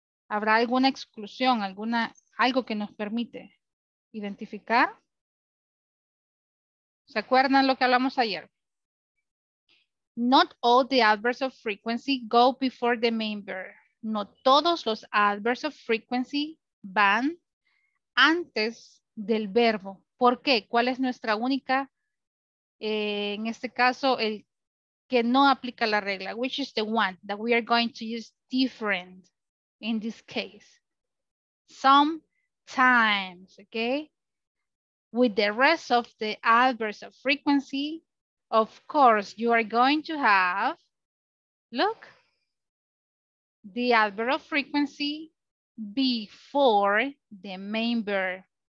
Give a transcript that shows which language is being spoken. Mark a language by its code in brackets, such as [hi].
[es] ¿Habrá alguna exclusión, alguna algo que nos permite identificar? ¿Se acuerdan lo que hablamos ayer? [en] Not all the adverbs of frequency go before the main verb. [es] No todos los [en] adverbs of frequency [es] van antes del verbo. ¿Por qué? ¿Cuál es nuestra única, en este caso, el que no aplica la regla? [en] Which is the one that we are going to use different in this case? Sometimes, okay? With the rest of the adverbs of frequency, of course, you are going to have, look, the adverb of frequency before the main verb.